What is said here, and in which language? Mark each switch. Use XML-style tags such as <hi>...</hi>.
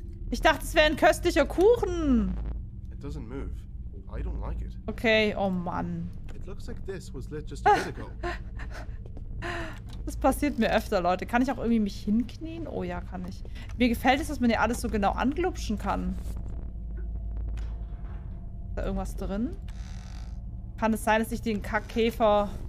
<de>Ich dachte, das wäre ein köstlicher Kuchen.</de> <en>It doesn't move. I don't like it.</en> <de>Okay, oh Mann.</de> <en>It looks like this was lit just a bit ago.</en> <de>Das passiert mir öfter, Leute. Kann ich auch irgendwie mich hinknien? Oh ja, kann ich. Mir gefällt es, dass man hier alles so genau anglupschen kann. Ist da irgendwas drin? Kann es sein, dass ich den Kackkäfer...</de>